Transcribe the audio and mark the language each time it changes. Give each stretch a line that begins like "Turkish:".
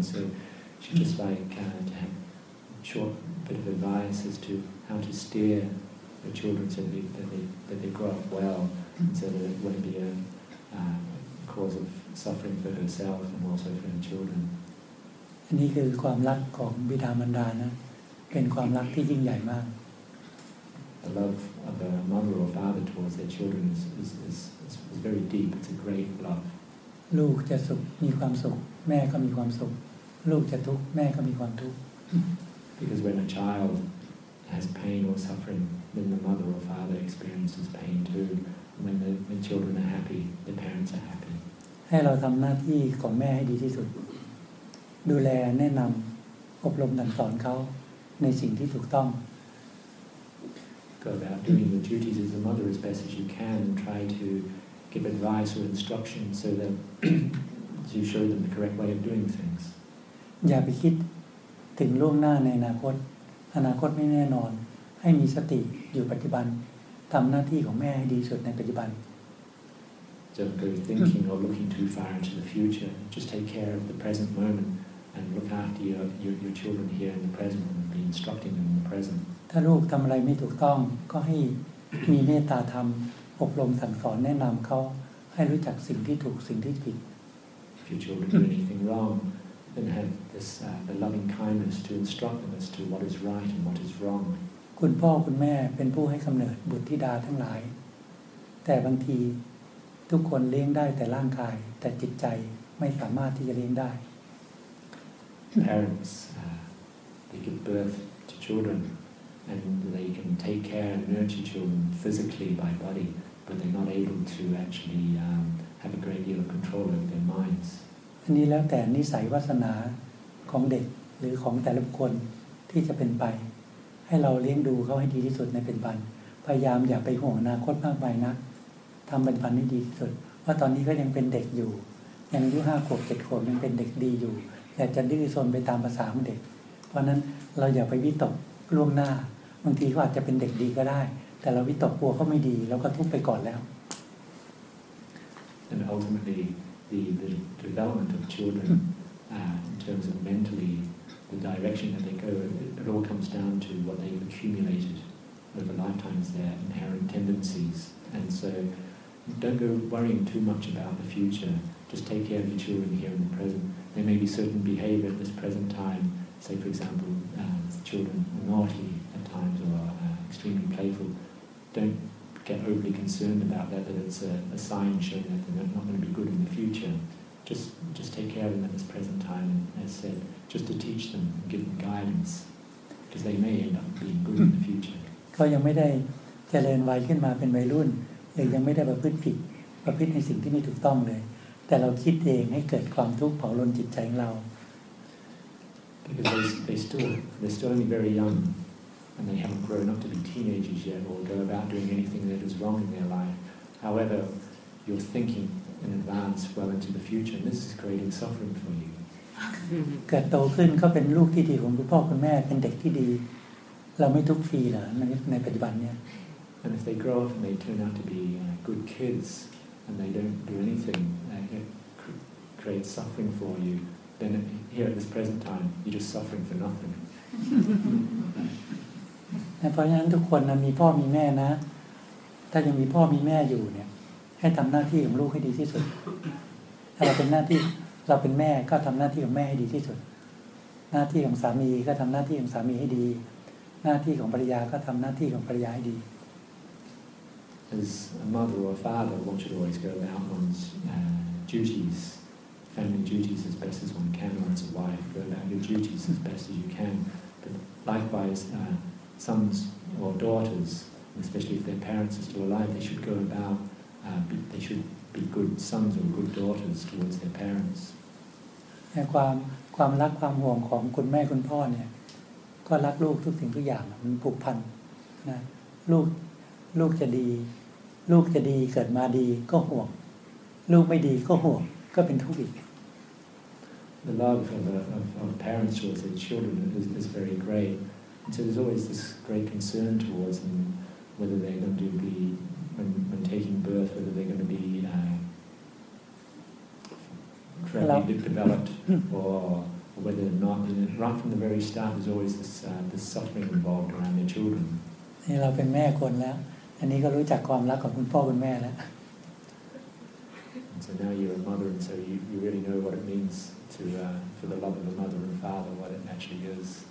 English: So she'd just like to have a short bit of advice as to how to steer her children so that they grow up well, so that it wouldn't be a cause of suffering for herself and also for her children.
Thai: นี่คือความรักของบิดามารดานะเป็นความรักที่ยิ่งใหญ่มาก
English: The love of a mother or father towards their children is very deep. It's a great love.
Thai: ลูกจะสุขมีความสุขแม่ก็มีความสุขลูกจะทุกข์แม่ก็มีความทุกข์
English: Because when a child has pain or suffering, then the mother or father experiences pain too. When children are happy, the parents are happy.
Thai: ให้เราทำหน้าที่ของแม่ให้ดีที่สุดดูแลแนะนำอบรมสั่งสอนเขาในสิ่งที่ถูกต้อง
English: Go about doing the duties as a mother as best as you can and try to give advice or instruction so that you show them the correct way of doing things
Thai: อย่าไปคิดถึงล่วงหน้าในอนาคตอนาคตไม่แน่นอนให้มีสติอยู่ปัจจุบันทำหน้าที่ของแม่ให้ดีสุดในปัจจุบัน
English: Don't go thinking or looking too far into the future. Just take care of the present moment and look after your children here in the present and be instructing them in the present.
Thai: ถ้าลูกทำอะไรไม่ถูกต้องก็ให้มีเมตตาธรรมอบรมสั่งสอนแนะนำเขาให้รู้จักสิ่งที่ถูกสิ่งที่ผิด
English: If your children do anything wrong, then have this the loving kindness to instruct them as to what is right and what is wrong.
Thai: คุณพ่อคุณแม่เป็นผู้ให้กำเนิดบุตรธิดาทั้งหลายแต่บางทีทุกคนเลี้ยงได้แต่ร่างกายแต่จิตใจไม่สามารถที่จะเลี้ยงได้
English: Parents they give birth to children and they can take care and nurture children physically by body but they're not able to actually have a great deal of control over their minds
Thai: อัันนี้แล้วแต่นิสัยวาสนาของเด็กหรือของแต่ละคนที่จะเป็นไปให้เราเลี้ยงดูเขาให้ดีที่สุดในเป็นพันพยายามอย่าไปห่วงอนาคตมากไปนะทำเป็นพันให้ดีที่สุดว่าตอนนี้ก็ยังเป็นเด็กอยู่ยังอายุ5 ขวบ 7 ขวบยังเป็นเด็กดีอยู่อย่าจะดื้อซนไปตามภาษาของเด็กเพราะนั้นเราอย่าไปวิตกล่วงหน้าบางทีเขาอาจจะเป็นเด็กดีก็ได้แต่เราวิตกกลัวเขาไม่ดีแล้วก็ทุกไปก่อนแล้ว
English: And ultimately the development of children in terms of mentally the direction that they go it all comes down to what they accumulated over lifetimes their inherent tendencies and so don't go worrying too much about the future just take care of your children here in the present there may be certain behavior at this present time say for example children are naughty at times or are extremely playful don'tget overly concerned about that, that it's a sign showing that they're not going to be good in the future. Just take care of them at this present time, as said, just to teach them, give them guidance, because they may end up being good in the future.
Thai: เขายังไม่ได้เจริญวัยขึ้นมาเป็นวัยรุ่นเลยยังไม่ได้ประพฤติผิดประพฤติในสิ่งที่ไม่ถูกต้องเลยแต่เราคิดเองให้เกิดความทุกข์เผารนจิตใจของเรา
English: Because they're still only very young. And they haven't grown up to be teenagers yet, or go about doing anything that is wrong in their life. However, you're thinking in advance, well into the future, and this is creating suffering for you.
Thai: เติบโตขึ้นเขาเป็นลูกที่ดีของคุณพ่อคุณแม่เป็นเด็กที่ดีเราไม่ทุกข์ฟรีเหรอในปัจจุบันเนี่ย
English: And if they grow up and they turn out to be good kids and they don't do anything that creates suffering for you, then here at this present time, you're just suffering for nothing.
Thai: เพราะฉะนั้นทุกคนนะมีพ่อมีแม่นะถ้ายังมีพ่อมีแม่อยู่เนี่ยให้ทำหน้าที่ของลูกให้ดีที่สุดถ้าเราเป็นหน้าที่เราเป็นแม่ก็ทำหน้าที่ของแม่ให้ดีที่สุดหน้าที่ของสามีก็ทำหน้าที่ของสามีให้ดีหน้าที่ของภรรยาก็ทำหน้าที่ของภรรยาให้ดี
English: As a mother or a father, one should always go about one's duties, family duties as best as one can, or as a wife, go about your duties as best as you can. But likewise, sons or daughters, especially if their parents are still alive, they should go about, they should be good sons or good daughters towards their parents.
Thai: And ความรักความห่วงของคุณแม่คุณพ่อเนี่ยก็รักลูกทุกสิ่งทุกอย่างมันผูกพันนะลูกจะดีลูกจะดีเกิดมาดีก็ห่วงลูกไม่ดีก็ห่วงก็เป็นทุกข์อีก
English: The love of parents towards their children is very great. And so there's always this great concern towards them, whether they're going to be, when taking birth, whether they're going to be correctly developed, or whether or not. You know, right from the very start, there's always this suffering involved around their children.
Thai: นี่เราเป็นแม่คนแล้วอันนี้ก็รู้จักความรักของคุณพ่อคุณแม่แล้ว
English: And so now you're a mother, and so you really know what it means to for the love of a mother and father, what it actually is.